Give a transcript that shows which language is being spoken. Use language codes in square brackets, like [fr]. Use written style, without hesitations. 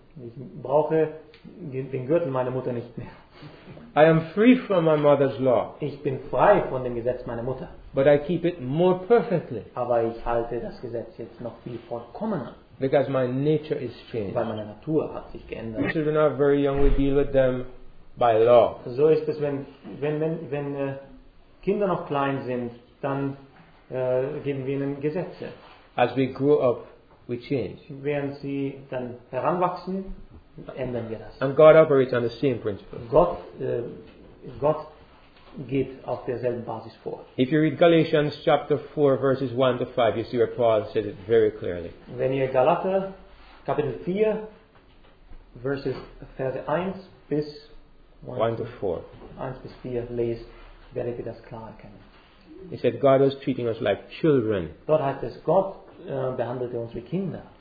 [de] Ich brauche den Gürtel meiner Mutter nicht mehr. [en] I am free from my mother's law. [de] Ich bin frei von dem Gesetz meiner Mutter. [en] But I keep it more perfectly. [de] Aber ich halte das Gesetz jetzt noch viel vollkommener. [en] Because my nature is changed. [de] Weil meine Natur hat sich geändert. [en] When children are very young, we deal with them by law. [de] So ist es, wenn Kinder noch klein sind, dann geben wir ihnen Gesetze. [en] As we grow up, we change. [de] Während sie dann heranwachsen, ändern wir das. [en] And God operates on the same principle. [de] Gott geht auf derselben Basis vor. [en] If you read Galatians chapter 4 verses 1 to 5, you see where Paul says it very clearly. [de] Wenn ihr Galater Kapitel 4 Verse 1 bis 4 lest, werdet ihr das klar erkennen. [en] He said God was treating us like children. [de] Dort heißt es, Gott behandelte uns wie Kinder.